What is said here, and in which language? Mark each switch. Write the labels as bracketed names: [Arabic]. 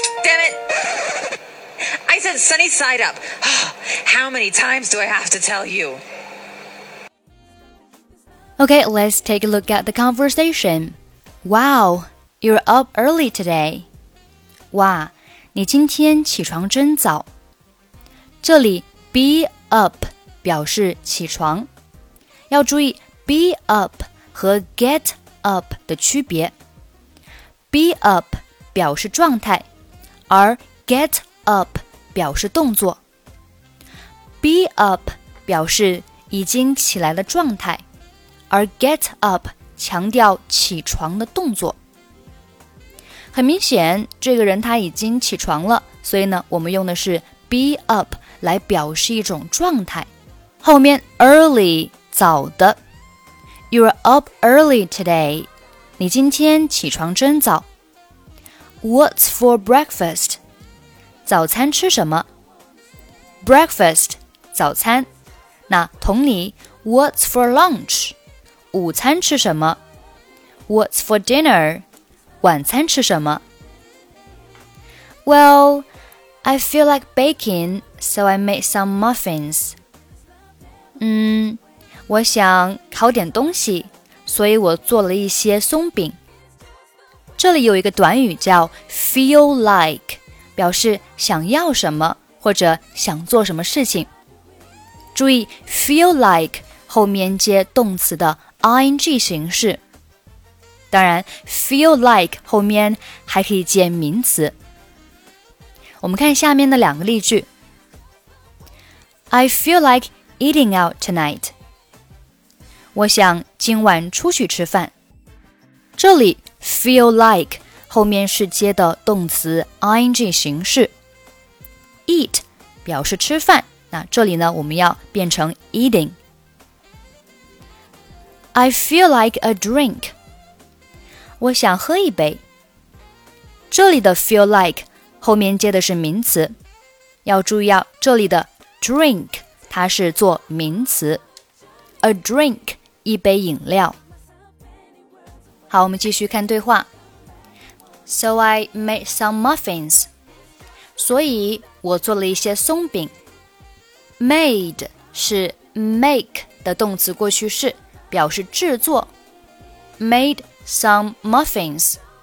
[English] Damn it! I said sunny side up. How many times do I have to tell you? Okay, let's take a look at the conversation. Wow, you're up early today. [Chinese] 哇，你今天起床真早。这里 be up 表示起床。要注意 be up 和 get up 的区别。 Be up 表示状态，而 get up 表示动作。 Be up 表示已经起来的状态。而 get up 强调起床的动作。很明显，这个人他已经起床了，所以呢，我们用的是 be up 来表示一种状态。后面 early 早的 [English] ，You're up early today. [Chinese] 你今天起床真早。 [English] What's for breakfast? [Chinese] 早餐吃什么？Breakfast 早餐。那同理 [English] ，What's for lunch? [Chinese] 午餐吃什么 [English] ？What's for dinner? [Chinese] 晚餐吃什么 [English] ？Well, I feel like baking, so I made some muffins. [Chinese] 我想烤点东西，所以我做了一些松饼。这里有一个短语叫 feel like， 表示想要什么或者想做什么事情。注意 feel like 后面接动词的。 ing 形式，当然 feel like 后面还可以接名词。我们看下面的两个例句。 [English] I feel like eating out tonight. [Chinese] 我想今晚出去吃饭。这里 feel like 后面是接的动词 ing 形式。 eat 表示吃饭，那这里呢我们要变成 eating。 [English] I feel like a drink. [Chinese] 我想喝一杯。这里的 feel like 后面接的是名词。要注意啊，这里的 drink 它是做名词。 [English] A drink [Chinese] 一杯饮料。好，我们继续看对话。 [English] So I made some muffins. [Chinese] 所以我做了一些松饼。 Made 是 make 的动词过去式。表示制作 ， [English] made some muffins，